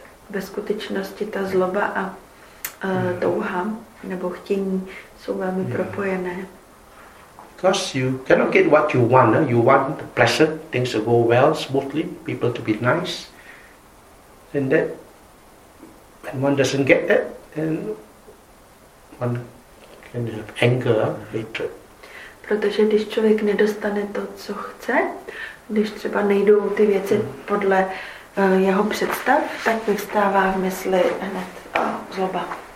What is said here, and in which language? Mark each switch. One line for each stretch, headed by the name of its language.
Czech: Ve skutečnosti ta zloba a touha nebo chtění jsou velmi propojené.
English: Because you cannot get what you want. You want the pleasant things to go well, smoothly, people to be nice. And that, when one doesn't get that, then one can have anger, hatred.
Czech: Protože když člověk nedostane to, co chce, když třeba nejdou ty věci podle jeho představ, tak vyvstává v mysli hned zloba.